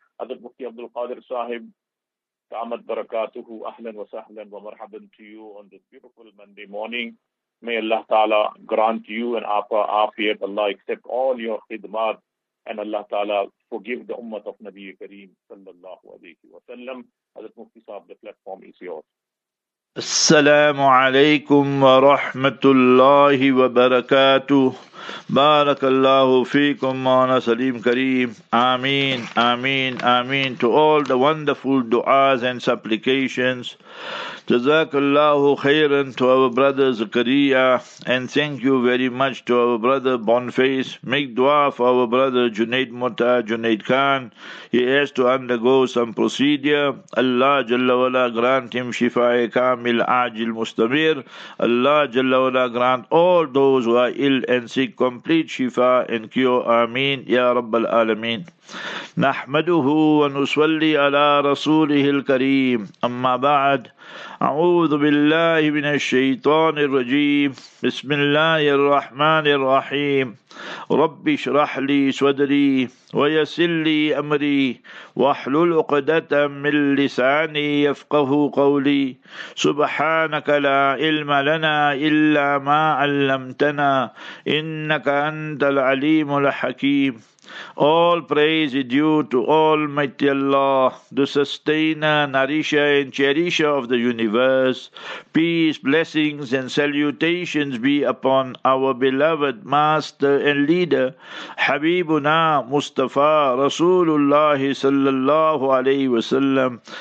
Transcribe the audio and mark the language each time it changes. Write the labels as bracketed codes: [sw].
[ar] هذا المفتي عبد القادر صاحب تعمد بركاته. اهلا وسهلا ومرحبا [en] to you on this beautiful Monday morning. May Allah Ta'ala grant you and Apa Afiyat. Allah accept all your khidmat and Allah Ta'ala forgive the ummah of Nabi Kareem sallallahu alayhi wa sallam. Hazrat Mufti Sahab, the platform is yours. Assalamu alaikum wa rahmatullahi wa barakatuh. Barakallahu feekum maana Salim Kareem. Ameen, ameen, ameen to all the wonderful du'as and supplications. Jazakallahu khairan to our brother Zakaria, and thank you very much to our brother Bonface. Make dua for our brother Junaid Mota, Junaid Khan. He has to undergo some procedure. Allah Jalla wala grant him shifa'i kamil ajil mustamir. Allah Jalla wala grant all those who are ill and sick complete shifa and cure. Ameen ya rabbal alameen. [ar] نحمده ونصلي على رسوله الكريم أما بعد أعوذ بالله من الشيطان الرجيم بسم الله الرحمن الرحيم رب اشرح لي صدري ويسر لي أمري واحلل عقدة من لساني يفقه قولي سبحانك لا علم لنا إلا ما علمتنا إنك أنت العليم الحكيم. [en] All praise is due to Almighty Allah, the sustainer, nourisher, and cherisher of the universe. Peace, blessings, and salutations be upon our beloved master and leader, Habibuna Mustafa Rasulullah sallallahu alayhi wa sallam.